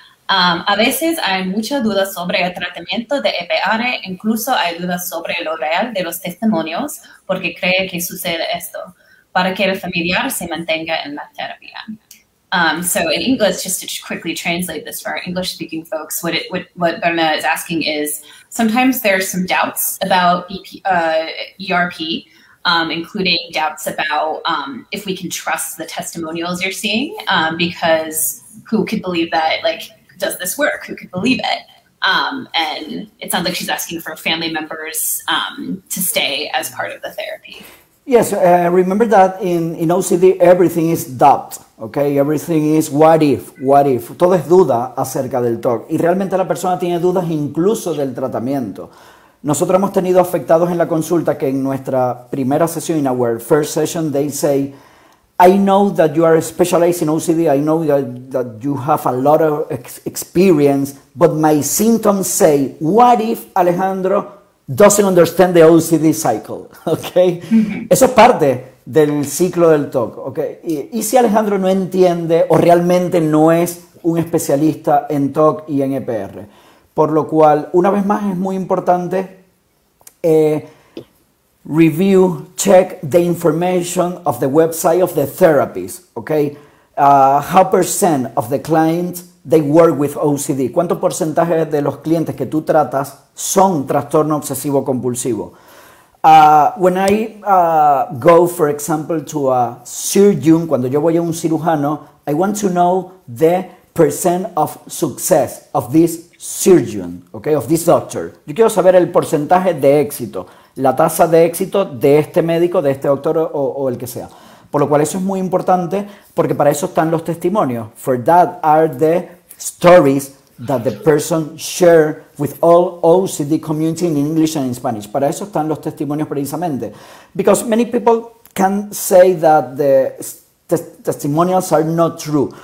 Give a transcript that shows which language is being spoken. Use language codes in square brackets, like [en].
[es] A veces hay muchas dudas sobre el tratamiento de EPR. Incluso hay dudas sobre lo real de los testimonios porque cree que sucede esto para que el familiar se mantenga en la terapia. [en] So in English, just to quickly translate this for our English-speaking folks, what Berna is asking is, sometimes there are some doubts about ERP, including doubts about if we can trust the testimonials you're seeing, because who could believe that, like, does this work? Who could believe it? And it sounds like she's asking for family members to stay as part of the therapy. Yes, remember that in OCD, everything is doubt, okay? Everything is what if, what if. [es] Todo es duda acerca del TOC. Y realmente la persona tiene dudas incluso del tratamiento. Nosotros hemos tenido afectados en la consulta que en nuestra primera sesión, [en] in our first session, they say, I know that you are specialized in OCD. I know that you have a lot of experience, but my symptoms say, what if Alejandro doesn't understand the OCD cycle, okay? [es] Eso es parte del ciclo del TOC, okay? Y si Alejandro no entiende o realmente no es un especialista en TOC y en EPR? Por lo cual, una vez más, es muy importante [en] review, check the information of the website of the therapist, okay? How percent of the clients they work with OCD. [es] ¿Cuánto porcentaje de los clientes que tú tratas son trastorno obsesivo compulsivo? [en] When I go, for example, to a surgeon, [es] cuando yo voy a un cirujano, [en] I want to know the percent of success of this surgeon, okay, of this doctor. [es] Yo quiero saber el porcentaje de éxito, la tasa de éxito de este médico, de este doctor o el que sea. Por lo cual eso es muy importante porque para eso están los testimonios. [en] For that are the stories that the person share with all OCD community in English and in Spanish. [es] Para eso están los testimonios precisamente. [en] Because many people can say that the testimonials are not true.